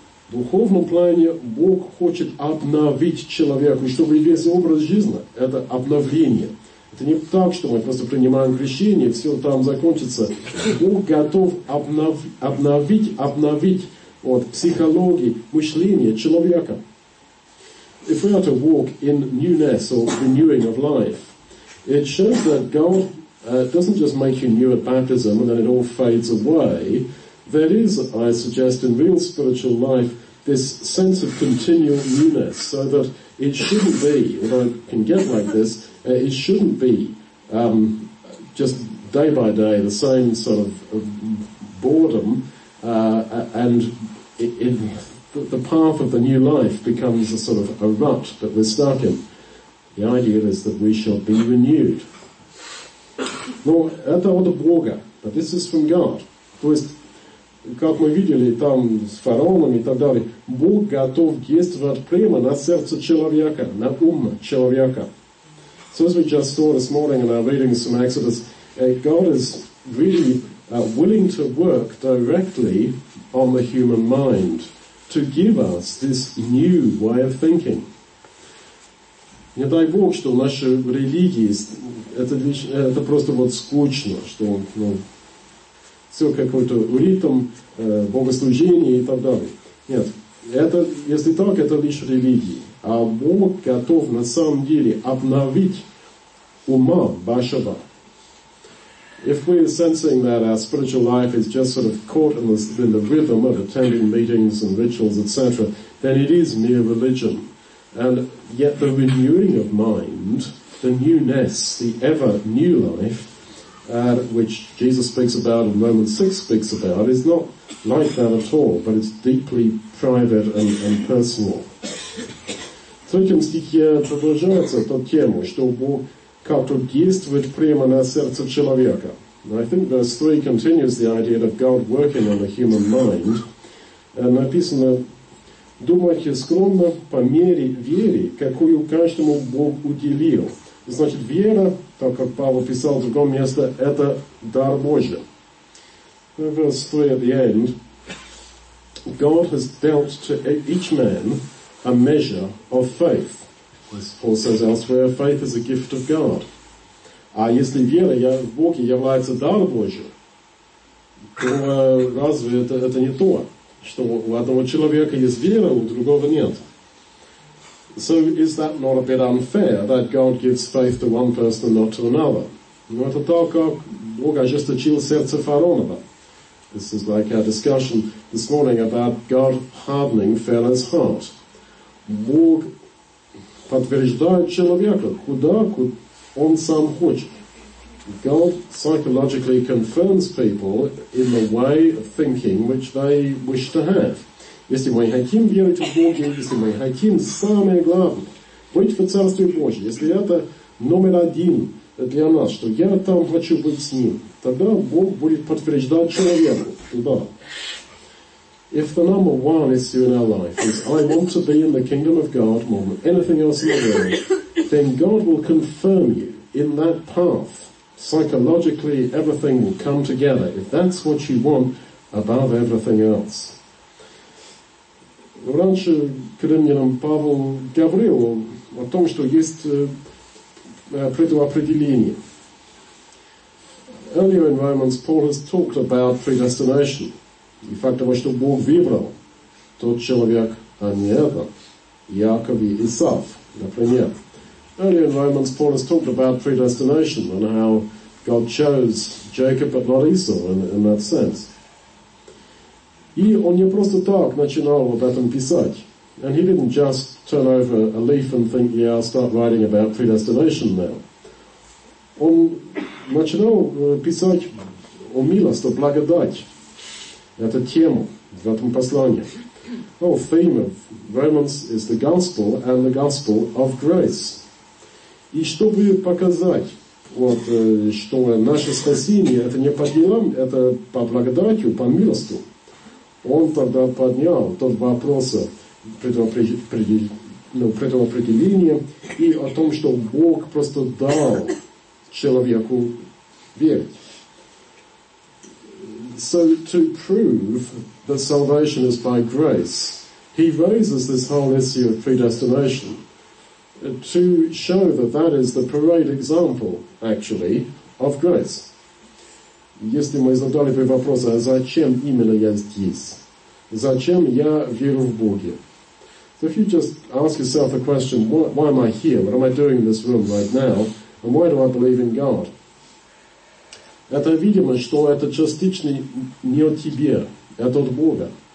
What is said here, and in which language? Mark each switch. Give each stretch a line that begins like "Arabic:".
Russian: В духовном плане Бог хочет обновить человека, чтобы весь образ жизни – это обновление. Это не так, что мы просто принимаем крещение, все там закончится. Бог готов обновить вот, психологии, мышление человека.
English: If we are to walk in newness or renewing of life, it shows that God doesn't just make you new at baptism and then it all fades away. There is, I suggest, in real spiritual life, this sense of continual newness, so that it shouldn't be, although it can get like this, it shouldn't be just day by day the same sort of boredom, and in the path of the new life becomes a sort of a rut that we're stuck in. The idea is that we shall be renewed.
Russian: Но это от Бога,
English: but this is from God.
Russian: То есть, как мы видели там с фараоном и так далее, Бог готов действовать прямо на сердце человека, на ум человека.
English: So as we just saw this morning in our readings from Exodus, God is really willing to work directly on the human mind to give us this new way of thinking.
Russian: Не дай Бог, что наши религии, это просто вот скучно, что все какой-то ритм, богослужение и так далее. Нет, это, если так, это лишь религии. А Бог готов на самом деле обновить ума вашего.
English: If we are sensing that our spiritual life is just sort of caught in the rhythm of attending meetings and rituals, etc., then it is mere religion. And yet the renewing of mind, the newness, the ever new life, which Jesus speaks about and Romans 6 speaks about, is not like that at all, but it's deeply private and personal.
Russian: В третьем стихе продолжается эта тема, что Бог как-то действует прямо на сердце человека.
English: And I think verse 3 continues the idea of God working on the human mind.
Russian: Написано, думайте скромно по мере веры, какую каждому Бог уделил. Значит, вера, так как Павел писал в другом месте, это дар Божий.
English: Verse 3 at the end. God has dealt to each man a measure of faith. As Paul says elsewhere, faith is a gift of God.
Russian: А если вера в Бога является даром Божьим, то разве это не то, что у одного человека есть вера, у другого нет?
English: So is that not a bit unfair, that God gives faith to one person and not to another?
Russian: Ну, это так, как Бог ожесточил сердце фараонова.
English: This is like our discussion this morning about God hardening Pharaoh's heart.
Russian: Бог подтверждает человека, куда он сам хочет.
English: God psychologically confirms people in the way of thinking which they wish to have.
Russian: Если мы хотим верить в Бога, если мы хотим, самое главное, быть в Царстве Божьем, если это номер один для нас, что я там хочу быть с Ним, тогда Бог будет подтверждать человеку туда.
English: If the number one issue in our life is I want to be in the kingdom of God more than anything else in the world, then God will confirm you in that path. Psychologically, everything will come together if that's what you want above everything else.
Russian: Раньше к римлянам Павел говорил о том, что есть предопределение.
English: Earlier in Romans, Paul has talked about predestination.
Russian: И факт того, что Бог выбрал тот человек, а не этот, Яков и Исав, например.
English: Earlier in Romans, Paul has talked about predestination and how God chose Jacob, but not Esau, in that sense.
Russian: И он не просто так начинал об этом писать.
English: And he didn't just turn over a leaf and think, yeah, I'll start writing about predestination now.
Russian: Он начинал писать о милости, о благодати. Это тема в этом послании.
English: Oh, theme of Romans is the gospel and the gospel of grace.
Russian: И чтобы показать, вот, что наше спасение это не по делам, это по благодати, по милости. Он тогда поднял тот вопрос о предопределении и о том, что Бог просто дал человеку верить.
English: So to prove that salvation is by grace, he raises this whole issue of predestination to show that that is the parade example, actually, of grace.
Russian: Если мы задали бы вопрос, а зачем именно я здесь? Зачем я верю в Бога?
English: So if you just ask yourself the question, why am I here? What am I doing in this room right now? And why do I believe in God?
Russian: Это видимо, что это частично не от тебя, это от Бога.